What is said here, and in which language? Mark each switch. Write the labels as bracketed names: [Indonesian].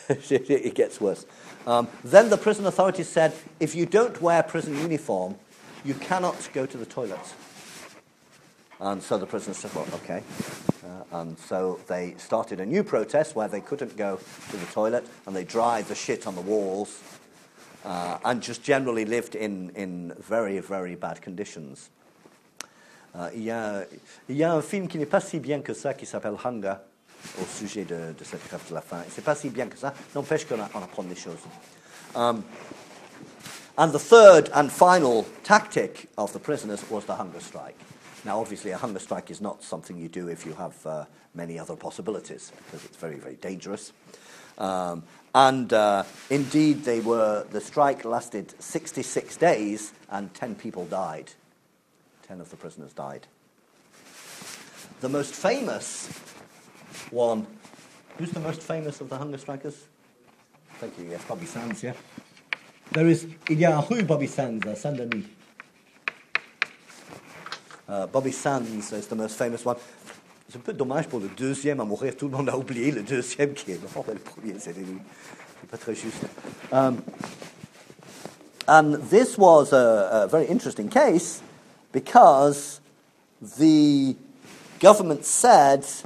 [English] It gets worse. Then the prison authorities said, if you don't wear prison uniform, you cannot go to the toilets. And so the prisoners said, well, okay. And so they started a new protest where they couldn't go to the toilet, and they dried the shit on the walls and just generally lived in very, very bad conditions. [French] Il y a un film qui n'est pas si bien que ça qui s'appelle Hunger. Au sujet de cette grève de la faim. C'est pas si bien que ça. N'empêche qu'on apprend des choses. [English] And the third and final tactic of the prisoners was the hunger strike. Now, obviously, a hunger strike is not something you do if you have many other possibilities, because it's very, very dangerous. Indeed, the strike lasted 66 days, and 10 people died. 10 of the prisoners died. The most famous one. Who's the most famous of the hunger strikers? Thank you. Yes, Bobby Sands, yeah. [French] Il y a rue Bobby Sands, Saint-Denis. [English] Bobby Sands is the most famous one. [French] C'est un peu dommage pour le deuxième à mourir. Tout le monde a oublié le deuxième qui est mort. Le premier, c'est lui. C'est pas très juste. [English] And this was a very interesting case because the government said...